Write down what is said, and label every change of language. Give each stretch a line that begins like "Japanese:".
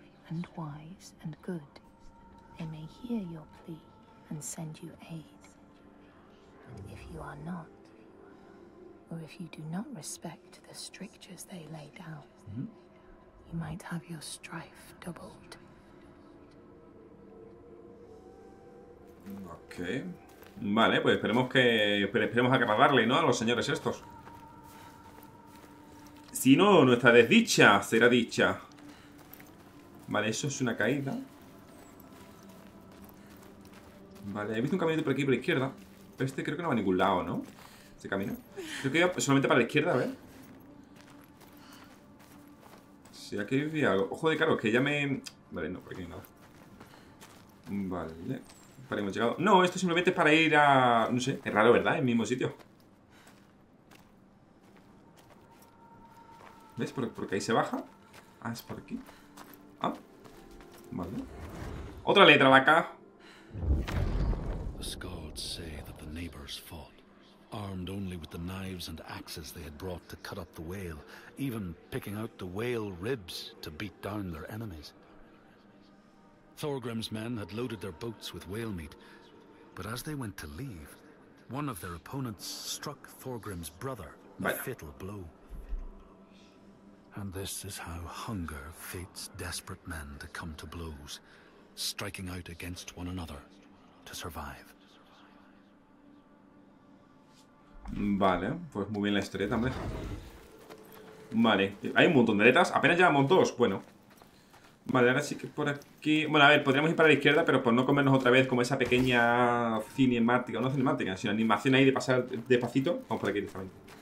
English: And wise and good, they may hear your plea and send you aid. If you are not, or if you do not respect the strictures they lay down, you might have your strife doubled.
Spanish: Okay, vale, pues esperemos agradarle, ¿no?, a los señores estos. Si no, nuestra desdicha será dicha. Vale, eso es una caída. Vale, he visto un caminito por aquí, por la izquierda. Pero este creo que no va a ningún lado, ¿no? Este camino. Creo que iba solamente para la izquierda, a ver. Sí, aquí había algo. Ojo de caro, que ya me... Vale, no, por aquí no hay nada. Vale, vale, hemos llegado. No, esto simplemente es para ir a... No sé, es raro, ¿verdad? El mismo sitio. ¿Ves? Porque ahí se baja. Ah, es por aquí. Ah, vale. Otra letra, vaca. Los guardias dicen que los vecinos fueron.
English: Armed only with the knives and axes they had brought to cut up the whale, even picking out the whale ribs to beat down their enemies. Thorgrim's men had loaded their boats with whale meat, but as they went to leave, one of their opponents struck Thorgrim's brother a fatal blow. And this is how hunger fates desperate men to come to blows, striking out against one another to survive.
Spanish: Vale, pues muy bien la historia también. Vale, hay un montón de letras. Apenas llevamos dos, bueno. Vale, ahora sí que por aquí. Bueno, a ver, podríamos ir para la izquierda, pero por no comernos otra vez como esa pequeña cinemática. No cinemática, sino animación ahí de pasar despacito. Vamos por aquí directamente.